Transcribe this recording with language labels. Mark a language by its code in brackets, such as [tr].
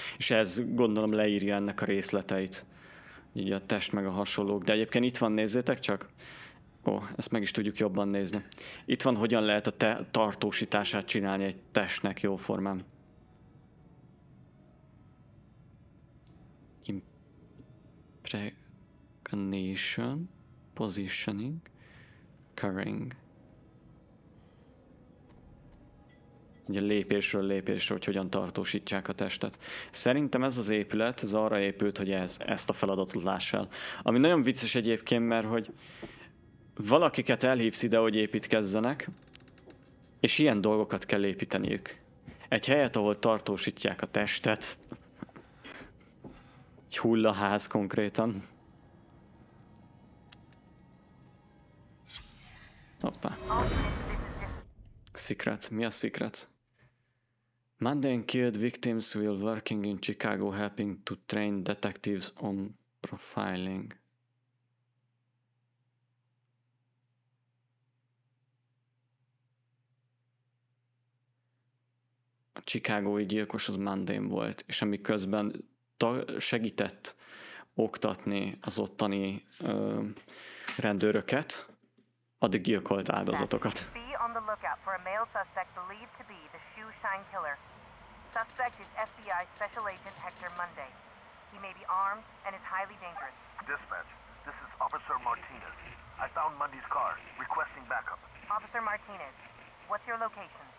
[hu] És ez gondolom leírja ennek a részleteit. Így a test meg a hasonlók. De egyébként itt van, nézzétek csak. Ó, ezt meg is tudjuk jobban nézni. Itt van, hogyan lehet a tartósítását csinálni egy testnek jó formán. [en] Impregnation, positioning, curing. [hu] Ugye lépésről lépésre, hogy hogyan tartósítsák a testet. Szerintem ez az épület, ez arra épült, hogy ezt a feladatot láss el. Ami nagyon vicces egyébként, mert hogy valakiket elhívsz ide, hogy építkezzenek, és ilyen dolgokat kell építeniük. Egy helyet, ahol tartósítják a testet. Egy hullaház konkrétan. Hoppá. Secret. Mi a secret? [en] Monday killed victims while working in Chicago helping to train detectives on profiling. [hu] A chicagói gyilkos az Mundane volt, és amiközben segített oktatni az ottani rendőröket, addig gyilkolt áldozatokat. [en] Be on the lookout for a male suspect believed to be the Shoe Shine Killer. Suspect is FBI Special Agent Hector Mundane. He may be armed and is highly dangerous. Dispatch, this is Officer Martinez. I found Mundy's car, requesting backup. Officer Martinez, what's your location?